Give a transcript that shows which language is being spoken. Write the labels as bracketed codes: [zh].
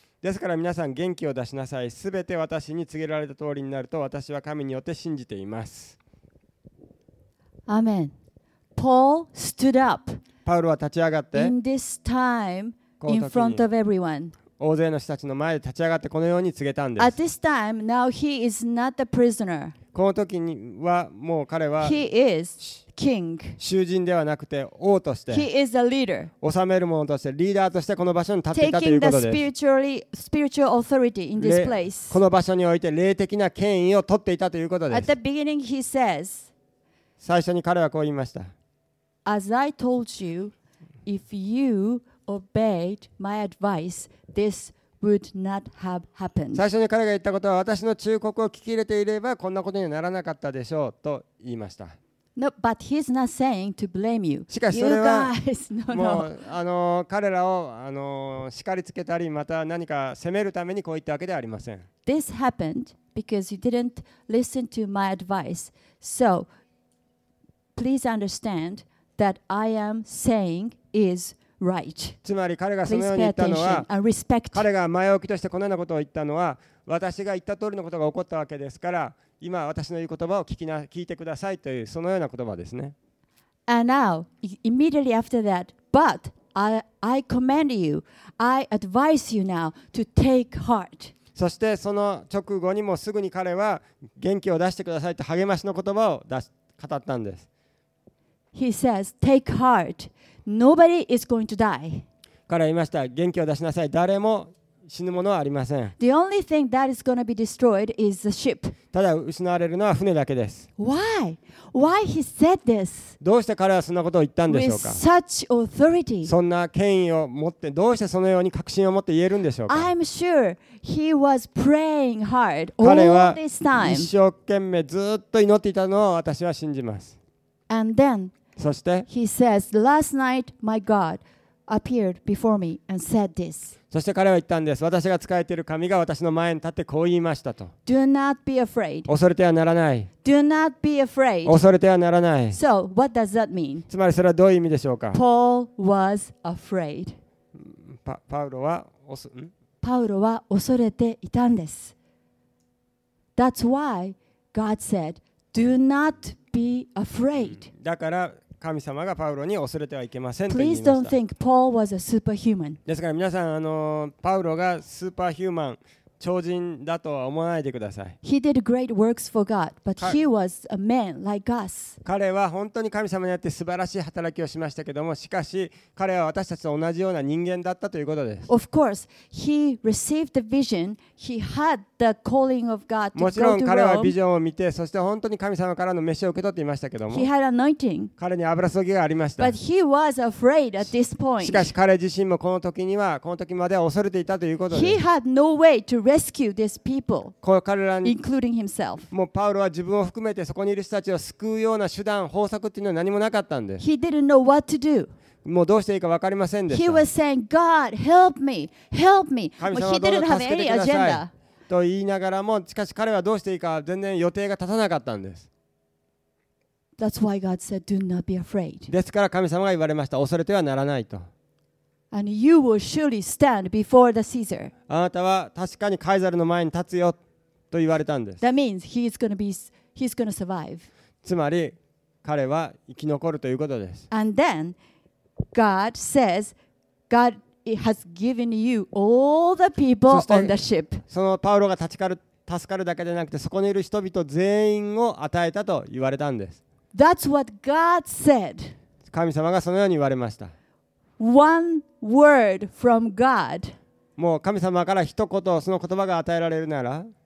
[ja] ですから皆さん元気を出しなさい。すべて私に告げられた通りになると私は神によって信じています。 [en] Amen. Paul stood up. [ja] パウロは立ち上がって、 [en] in this time, in front of everyone. [ja] 大勢の人たちの前で立ち上がってこのように告げたんです。 [en] At this time, now he is not a prisoner. [ja] この時にはもう彼は、 [en] he is king. [ja] 囚人ではなくて王として、 [en] he is a leader. [ja] 治める者として、リーダーとしてこの場所に立っていたということです。 [en] Taking the spiritual authority in this place. [ja] この場所において霊的な権威を取っていたということです。 [en] At the beginning, he says. [ja] 最初に彼はこう言いました。 [en] As I told you, if you obeyed my advice, this would not have happened. [ja] 最初に彼が言ったことは、私の忠告を聞き入れていればこんなことにはならなかったでしょうと言いました。 [en] No, but he's not saying to blame you. [ja] しかしそれはもう彼らを叱りつけたり、また何か責めるためにこう言ったわけではありません。 [en] This happened because you didn't listen to my advice. So,Please understand that I am saying is right. [ja] つまり彼がそのように言ったのは、彼が前置きとしてこのようなことを言ったのは、私が言った通りのことが起こったわけですから、今私の言う言葉を聞いてくださいというそのような言葉ですね。 [en] And now, immediately after that, but I command you, I advise you now to take heart. [ja] そしてその直後にもすぐに彼は元気を出してくださいと励ましの言葉を語ったんです。 [en] He says, "Take heart. Nobody is going to die." [ja] 彼は言いました。元気を出しなさい。誰も死ぬものはありません。 [en] The only thing that is going to be destroyed is the ship. [ja] ただ失われるのは船だけです。 [en] Why? Why he said this? [ja] どうして彼はそんなことを言ったんでしょうか。 [en] With such authority. [ja] そんな権威を持って、どうしてそのように確信を持って言えるんでしょうか。 [en] I'm sure he was praying hard all this time. [ja] 彼は一生懸命ずっと祈っていたのを私は信じます。 [en] And then, [ja] そして、 [en] he says, "Last night, my God appeared before me and said this." [ja] そして彼は言ったんです。私が仕えている神が私の前に立ってこう言いましたと。 [en] Do not be afraid. [ja] 恐れてはならない。 [en] Do not be afraid. [ja] 恐れてはならない。 [en] So, what does that mean? [ja] つまりそれはどういう意味でしょうか。 [en] Paul was afraid. [ja] パウロは恐れていたんです。 [en] That's why God said, "Do not be afraid." Be afraid. [ja] だから神様がパウロに恐れてはいけませんと言いました。 [en] Please don't think Paul was a superhuman. [ja] ですから皆さん、パウロがスーパーヒューマン、超人だとは思わないでください。 [en] He did great works for God, but he was a man like us. [ja] 彼は本当に神様にあって素晴らしい働きをしましたけども、しかし彼は私たちと同じような人間だったということです。 [en] Of course, he received the vision. He had the calling of God to go to Rome. [ja] もちろん彼はビジョンを見て、そして本当に神様からの召しを受け取っていましたけども、 [en] He had anointing. [ja] 彼に油注ぎがありました。 [en] But he was afraid at this point. [ja] しかし彼自身もこの時には、この時までは恐れていたということです。 [en] He had no way to rescue these people, including himself. [ja] もうパウロは自分を含めてそこにいる人たちを救うような手段、方策っていうのは何もなかったんです。 [en] He didn't know what to do. [ja] もうどうしていいか分かりませんでした。 [en] He was saying, God, help me, help me. [ja] 神様、どうぞ助けてください。 [en] He didn't have any agenda. [ja] と言いながらも、しかし彼はどうしていいか全然予定が立たなかったんです。 [en] That's why God said, do not be afraid. [ja] ですから神様が言われました。恐れてはならないと。 [en] And you will surely stand before the Caesar. [ja] あなたは確かにカイザルの前に立つよと言われたんです。 [en] That means he's gonna survive. [ja] つまり彼は生き残るということです。 [en] And then God says, God has given you all the people on the ship. [ja] そのパウロが助かるだけでなくて、そこにいる人々全員を与えたと言われたんです。 [en] That's what God said. [ja] 神様がそのように言われました。 [en] One word from God. [ja] もう神様から一言その言葉が与えられるなら、